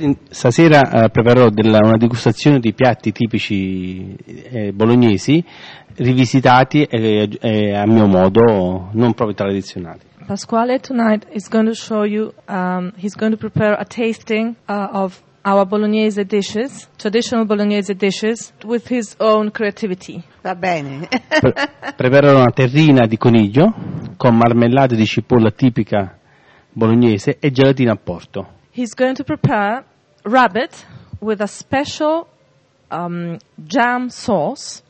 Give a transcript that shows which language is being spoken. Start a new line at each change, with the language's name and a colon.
Italian: Stasera preparerò una degustazione di piatti tipici bolognesi, rivisitati a mio modo, non proprio tradizionali.
English: Pasquale tonight is going to show you, he's going to prepare a tasting of our bolognese dishes, traditional bolognese dishes, with his own creativity.
Italian: Va bene. Preparerò una terrina di coniglio con marmellata di cipolla tipica bolognese e gelatina a porto.
English: He's going to prepare rabbit with a special jam sauce.